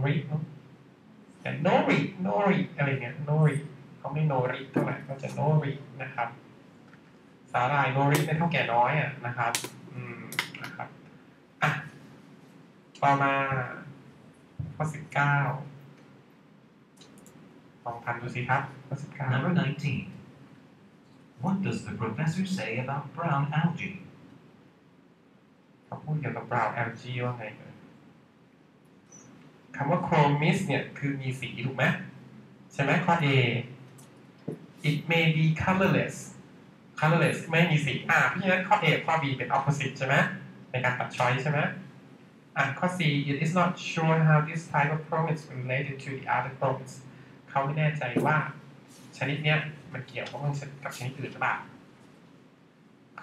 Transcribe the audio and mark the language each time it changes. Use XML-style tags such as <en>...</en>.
<th>นาะแต่โนริอะไรเงี้ยโนริเขาไม่โนริเท่าไหร่ก็จะโนรินะครับสาหร่ายโนริเป็นเท่าแก่น้อยอ่ะนะครับนะครับอ่ะต่อมาข้อ19ลองทำดูสิครับข้อ19</th> <en>Number 19 What does the professor say about brown algae?</en> <th>เขาพูดเกี่ยวกับ brown algae ว่าไงคำว่า chromis เนี่ยคือมีสีถูกไหมใช่ไหมข้อ A</th> <en>It may be colorless</en> <th>ไม่มีสีเพราะฉะนั้นข้อ A ข้อ B เป็น opposite ใช่ไหมในการตัดช้อยใช่ไหมข้อ C</th> <en>it is not sure how this type of chrome is related to the other chromes</en> <th>เขาไม่แน่ใจว่าชนิดเนี้ยมันเกี่ยวข้องกับชนิดอื่นหรือเปล่าข้อ D</th>